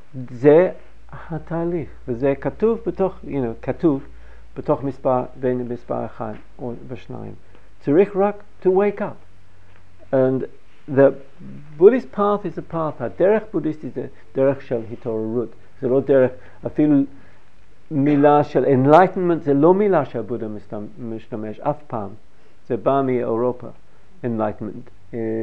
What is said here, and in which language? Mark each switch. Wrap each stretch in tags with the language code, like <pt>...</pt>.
<he>זה התהליך, וזה כתוב בתוך, כתוב בתוך מספר, בין מספר אחד או בשניים. צריך רק</he> <en>to wake up. And the Buddhist path is a path.</en> <he>הדרך בודיסטי זה דרך של התעוררות. זה לא דרך, אפילו מילה של enlightenment, זה לא מילה שהבודה משתמש אף פעם. זה בא מאירופה, enlightenment.</he>